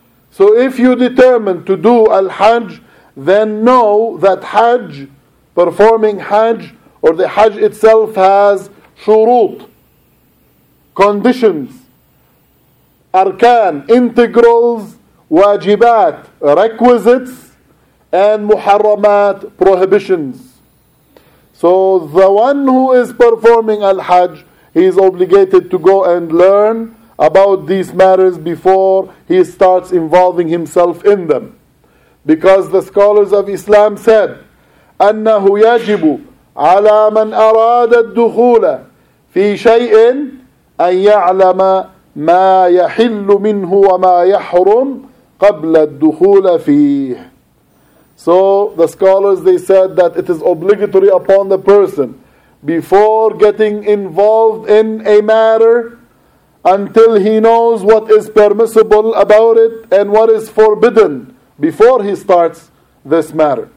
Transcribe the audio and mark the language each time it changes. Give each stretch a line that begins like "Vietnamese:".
English: So if you determine to do Al-Hajj, then know that Hajj, performing Hajj, or the Hajj itself has shurut, conditions, arkan, integrals, wajibat, requisites, and muharramat, prohibitions. So the one who is performing Al-Hajj, he is obligated to go and learn about these matters before he starts involving himself in them. Because the scholars of Islam said,
Arabic: أَنَّهُ يَجِبُ عَلَى مَنْ أَرَادَ الدُّخُولَ فِي شَيْءٍ أَنْ يَعْلَمَ ما يحل منه وما يحرم قبل الدخول فيه.
English: So the scholars, they said that it is obligatory upon the person before getting involved in a matter, until he knows what is permissible about it and what is forbidden before he starts this matter.